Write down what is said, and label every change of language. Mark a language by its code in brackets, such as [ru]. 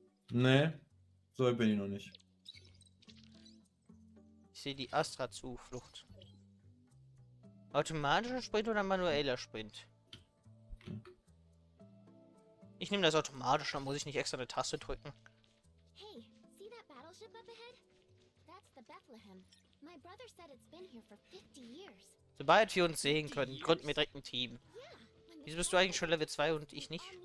[de] Nee, so bin ich noch nicht. Ich sehe die Astra-Zuflucht. Automatischer Sprint oder manueller Sprint? Ich nehme das automatisch, dann muss ich nicht extra eine Taste drücken. [en] Hey, see that battleship up ahead? That's the Bethlehem. My brother said it's been here for 50 years. [de] Sobald wir uns sehen können, gründen wir direkt ein Team. Wieso bist du eigentlich schon Level 2 und ich nicht?